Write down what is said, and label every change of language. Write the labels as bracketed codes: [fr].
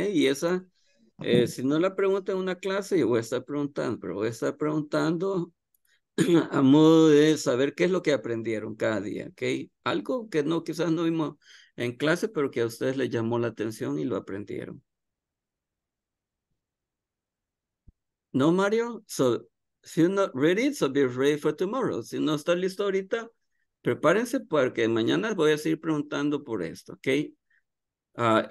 [es] Y esa, si no la pregunto en una clase, yo voy a estar preguntando, pero voy a estar preguntando a modo de saber qué es lo que aprendieron cada día, ¿ok? Algo que no, quizás no vimos en clase, pero que a ustedes les llamó la atención y lo aprendieron. ¿No, Mario? [en] So, if you're not ready, so be ready for tomorrow. [es] Si no está listo ahorita, prepárense porque mañana voy a seguir preguntando por esto, ¿ok?